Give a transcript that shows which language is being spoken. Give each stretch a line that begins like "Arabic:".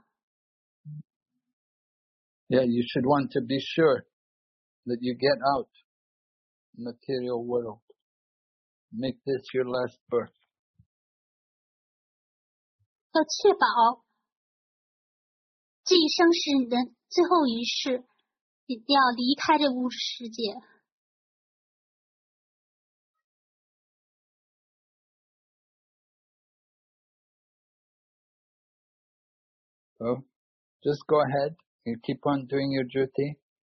Chinese: 您要小心下一世不要再进入这种就是纠缠当中了。Yeah,
English: you should want to be sure that you get out material world. Make this your last birth.
Chinese: 要确保这一生是你的最后一世。
English: So, just go ahead and keep on doing your duty.